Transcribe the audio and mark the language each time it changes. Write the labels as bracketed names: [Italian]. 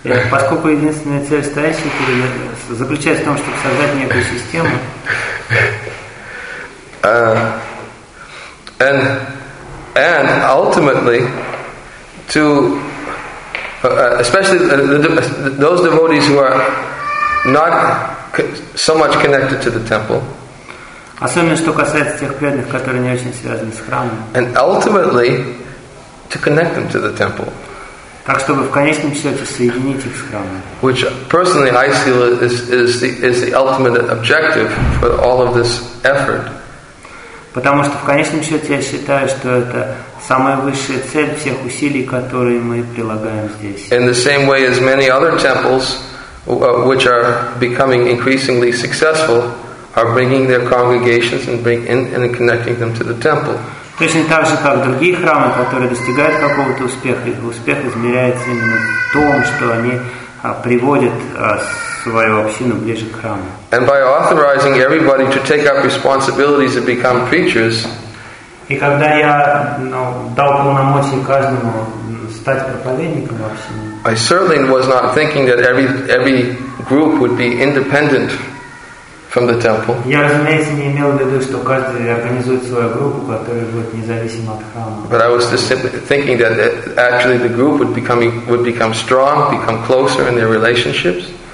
[Russian] Поскольку единственная цель стоящих перед этим заключается в том, чтобы создать некую систему. [English] And ultimately, to especially those devotees who are not so much connected to the temple. [Russian] Особенно что касается тех преданных, которые не очень связаны с храмом. [English] And ultimately, to connect them to the temple. [Russian] Так чтобы в конечном счете соединить их с храмом. [English] Which personally I see is the ultimate objective for all of this effort. [Russian] Потому что в конечном счете я считаю, что это самая высшая цель всех усилий, которые мы прилагаем здесь. [English] In the same way as many other temples, which are becoming increasingly successful, are bringing their congregations and connecting them to the temple. [Russian] Точно так же, как другие храмы, которые достигают какого-то успеха, их успех измеряется именно в том, что они приводят свою общину ближе к храму. [English] And by authorizing everybody to take up responsibilities and become preachers, [Russian] и когда я дал полномочия каждому стать проповедником в общине, [English] I certainly was not thinking that every group would be independent from the temple. [Russian] Я, разумеется, не имел в виду, что каждый организует свою группу, которая будет независима от храма. [English] But I was just simply thinking that actually the group would become strong, become closer in their relationships.